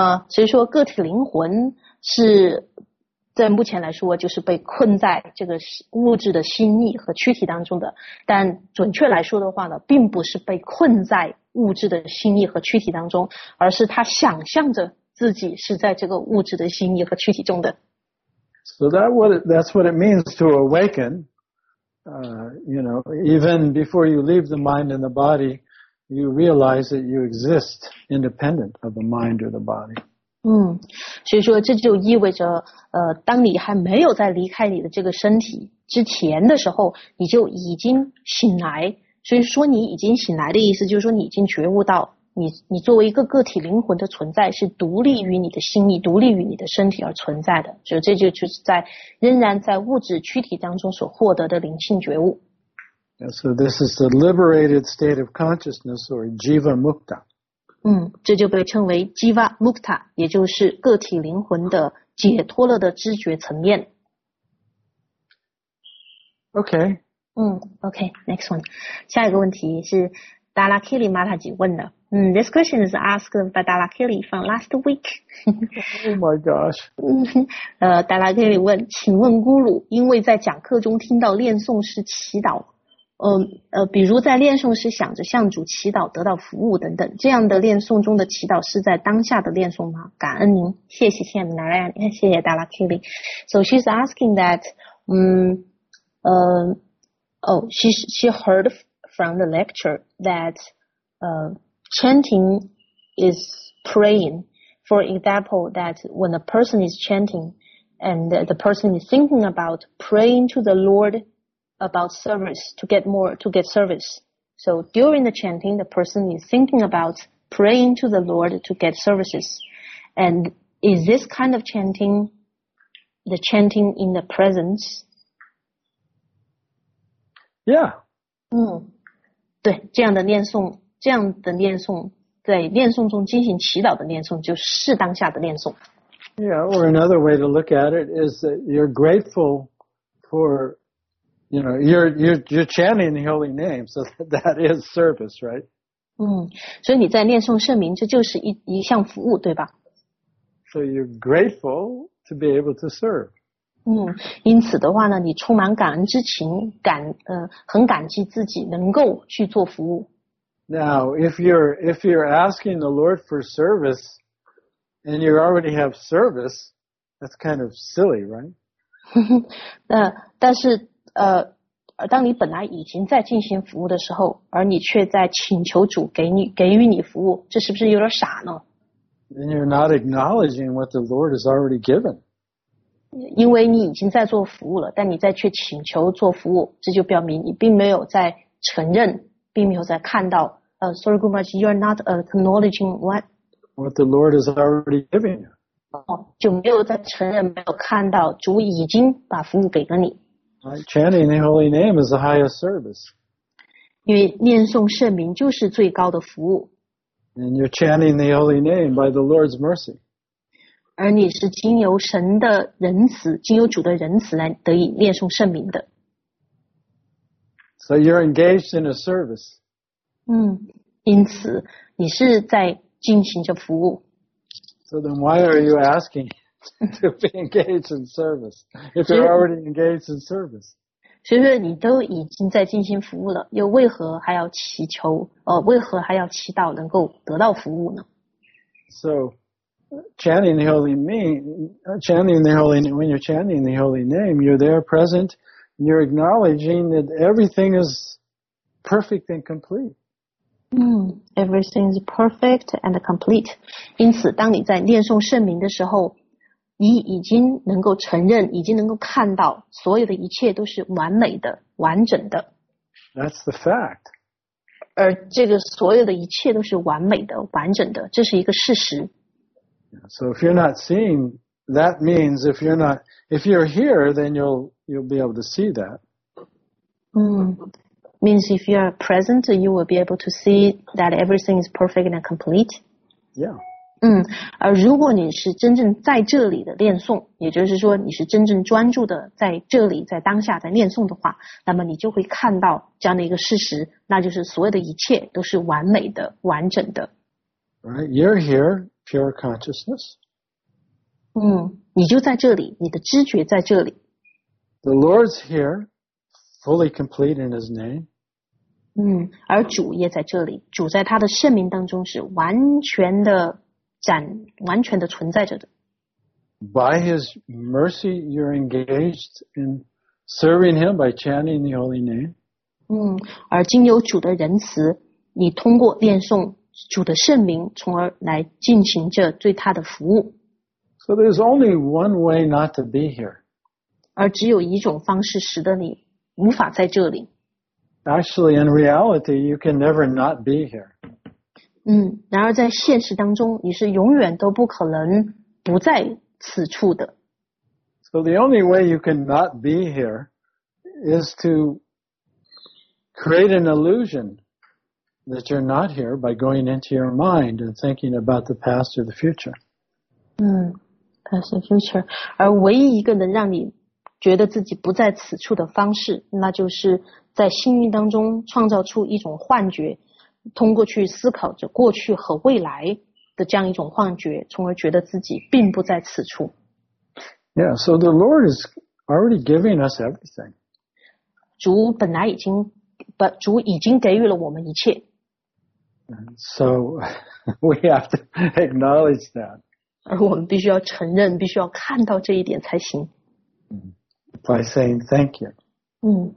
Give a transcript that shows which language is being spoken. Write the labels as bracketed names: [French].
[Chinese] 所以说个体灵魂是在目前来说就是被困在这个物质的心意和躯体当中的，但准确来说的话呢，并不是被困在物质的心意和躯体当中，而是他想象着自己是在这个物质的心意和躯体中的。 [English] So that's what it means to awaken. You know, even before you leave the mind and the body, you realize that you exist independent of the mind or the body. [Chinese] 所以说这就意味着，当你还没有在离开你的这个身体之前的时候，你就已经醒来。所以说你已经醒来的意思就是说你已经觉悟到你作为一个个体灵魂的存在是独立于你的心意，独立于你的身体而存在的，所以这就是在仍然在物质躯体当中所获得的灵性觉悟。 [English] Yeah, so this is the liberated state of consciousness or Jiva Mukta. [Chinese] 这就被称为 Jiva Mukta, 也就是个体灵魂的解脱了的知觉层面。 [English] Okay. Okay, next one. [Chinese] 下一个问题是 Dala Kili Mataji 问的。 [English] This question is asked by Dala Kili from last week. Oh my gosh. [Chinese] Dala Kili 问，请问 Guru, 因为在讲课中听到念诵是祈祷，比如在念诵时想着向主祈祷得到服务等等，这样的念诵中的祈祷是在当下的念诵吗？感恩您，谢谢天南兰，谢谢达拉基里。 [English] So she's asking that, she heard from the lecture that, chanting is praying. For example, that when a person is chanting and the person is thinking about praying to the Lord. About service, to get service. So during the chanting, the person is thinking about praying to the Lord to get services. And is this kind of chanting, the chanting in the presence? Yeah. [Chinese] 对，这样的念诵，这样的念诵，在念诵中进行祈祷的念诵，就是当下的念诵。 [English] Yeah, or another way to look at it is that you're grateful for... You know, you're chanting the holy name, so that is service, right? [Chinese] 所以你在念诵圣名，这就是一项服务，对吧？ [English] So you're grateful to be able to serve. [Chinese] 因此的话呢，你充满感恩之情，很感激自己能够去做服务。 [English] Now, if you're asking the Lord for service, and you already have service, that's kind of silly, right? [Chinese] 但是当你本来已经在进行服务的时候，而你却在请求主给予你服务，这是不是有点傻呢？ [English] Then you're not acknowledging what the Lord has already given. [Chinese] 因为你已经在做服务了，但你在却请求做服务，这就表明你并没有在承认，并没有在看到。 [English] Sorry, Guru Maharaj, you're not acknowledging what the Lord has already given you. [Chinese] 就没有在承认，没有看到主已经把服务给了你。 [English] Right, chanting the holy name is the highest service. [Chinese] 因为念诵圣名就是最高的服务。 [English] And you're chanting the holy name by the Lord's mercy. [Chinese] 而你是经由神的仁慈，经由主的仁慈来得以念诵圣名的。 [English] So you're engaged in a service. [Chinese] 因此你是在进行着服务。 [English] So then why are you asking? to be engaged in service, if you're already engaged in service. [Chinese] 所以说你都已经在进行服务了，又为何还要祈求，为何还要祈祷能够得到服务呢？ [English] So, chanting the holy name, when you're chanting the holy name, you're there present, and you're acknowledging that everything is perfect and complete. Everything is perfect and complete. [Chinese] 因此当你在念诵圣名的时候，你已经能够承认，已经能够看到所有的一切都是完美的、完整的。 [English] That's the fact. [Chinese] 而这个所有的一切都是完美的、完整的，这是一个事实。 [English] So if you're not seeing, that means if you're here, then you'll be able to see that. Means if you're present, you will be able to see that everything is perfect and complete. Yeah. [Chinese] 而如果你是真正在这里的念诵，也就是说你是真正专注的在这里，在当下在念诵的话，那么你就会看到这样的一个事实，那就是所有的一切都是完美的、完整的。 [English] Right, you're here, pure consciousness. [Chinese] 你就在这里，你的知觉在这里。 [English] The Lord's here, fully complete in His name. [Chinese] 而主也在这里，主在他的圣名当中是完全的。完全的存在着的。 [English] By His mercy, you're engaged in serving Him by chanting the holy name. [Chinese] 而经由主的仁慈，你通过念诵主的圣名，从而来进行着对他的服务。 [English] So there's only one way not to be here. [Chinese] 而只有一种方式使得你无法在这里。 [English] actually, in reality, you can never not be here. [Chinese] 然而在现实当中，你是永远都不可能不在此处的。 [English] So the only way you can not be here is to create an illusion that you're not here by going into your mind and thinking about the past or the future. Past or future. [Chinese] 而唯一一个能让你觉得自己不在此处的方式，那就是在心灵当中创造出一种幻觉，通过去思考着过去和未来的这样一种幻觉，从而觉得自己并不在此处。 [English] Yeah, so the Lord is already giving us everything. [Chinese] 主本来已经，主已经给予了我们一切。 [English] So we have to acknowledge that. [Chinese] 而我们必须要承认，必须要看到这一点才行。 [English] By saying thank you.